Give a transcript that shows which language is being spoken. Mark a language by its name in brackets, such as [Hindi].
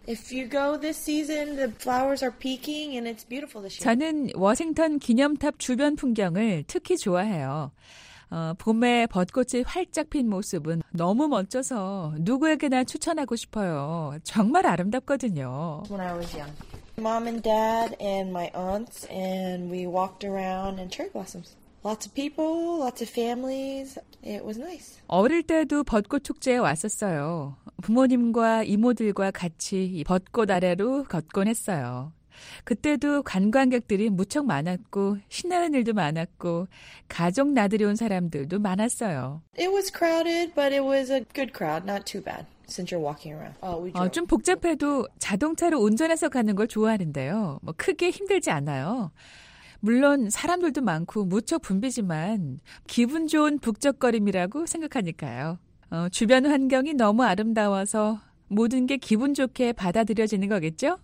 [English] If you go this season, the flowers are peaking and it's beautiful this year. [Korean] 저는 워싱턴 기념탑 주변 풍경을 특히 좋아해요. 봄에 벚꽃이 활짝 핀 모습은 너무 멋져서 누구에게나 추천하고 싶어요. 정말 아름답거든요. [English] When I was young. Mom and dad and my aunts and we walked around and cherry blossoms. Lots of people, lots of families. It was nice. [Korean] 어릴 때도 벚꽃 축제에 왔었어요. 부모님과 이모들과 같이 벚꽃 아래로 걷곤 했어요. 그때도 관광객들이 무척 많았고 신나는 일도 많았고 가족 나들이 온 사람들도 많았어요. [English] It was crowded, but it was a good crowd, not too bad. Since you're walking around. We drove. [Korean] 좀 복잡해도 자동차로 운전해서 가는 걸 좋아하는데요. 뭐 크게 힘들지 않아요. 물론 사람들도 많고 무척 붐비지만 기분 좋은 북적거림이라고 생각하니까요. 주변 환경이 너무 아름다워서 모든 게 기분 좋게 받아들여지는 거겠죠?